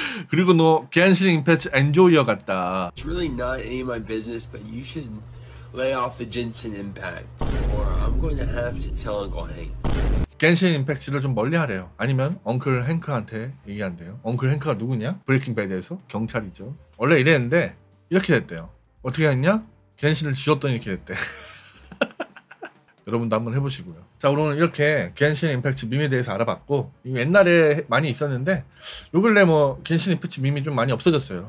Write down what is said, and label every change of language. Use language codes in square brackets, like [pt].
[ko] 그리고 너 겐신 임팩트 엔조이어 같다. [en] It's really not any of my business, but you should lay off the Genshin Impact, or I'm going to have to tell Uncle Hank. [ko] 겐신 임팩트를 좀 멀리하래요. 아니면 언클 헨크한테 얘기한대요. 언클 헨크가 누구냐? 브레이킹 배드에서 경찰이죠. 원래 이랬는데 이렇게 됐대요. 어떻게 했냐? 겐신을 지웠더니 이렇게 됐대. 여러분도 한번 해보시고요. 자 오늘 이렇게 겐신 임팩트 밈에 대해서 알아봤고 옛날에 많이 있었는데 요 근래 뭐 겐신 임팩트 밈이 좀 많이 없어졌어요.